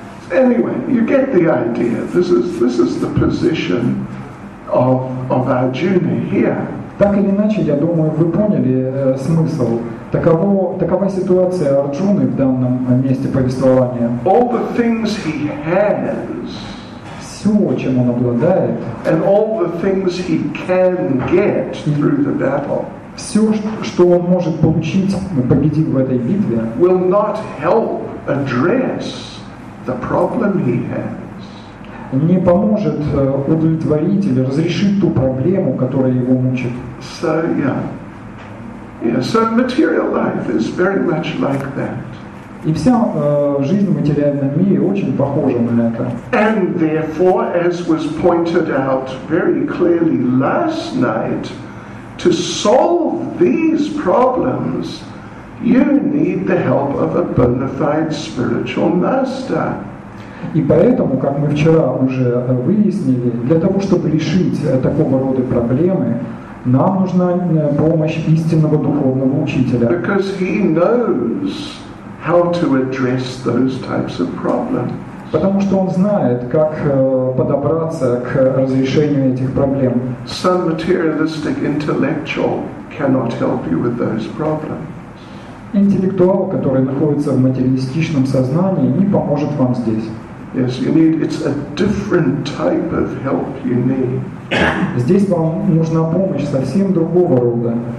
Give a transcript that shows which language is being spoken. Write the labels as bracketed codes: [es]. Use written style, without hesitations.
[en] Yeah. Anyway, you get the idea. This is the position of Arjuna here. [ru] Так или иначе, я думаю, вы поняли смысл. Такова ситуация Арджуны в данном месте повествования. [en] All the things he has. [ru] Все, чем он обладает. [en] And all the things he can get through the battle. [ru] Все, что он может получить, победив в этой битве, [en] will not help address the problem he has. [ru] Не поможет удовлетворить или разрешить ту проблему, которая его мучит. [en] So, yeah. Yeah, so material life is very much like that. [ru] И вся жизнь в материальном мире очень похожа на это. [en] And therefore, as was pointed out very clearly last night, to solve these problems, you need the help of a bona fide spiritual master. [ru] И поэтому, как мы вчера уже выяснили, для того, чтобы решить такого рода проблемы, нам нужна помощь истинного духовного учителя. [en] Because he knows how to address those types of problems. [ru] Потому что он знает, как подобраться к разрешению этих проблем. [en] Some materialistic intellectual cannot help you with those problems. [ru] Интеллектуал, который находится в материалистичном сознании, не поможет вам здесь. [en] Yes, you need, it's a different type of help you need. [ru] Здесь вам нужна помощь совсем другого рода.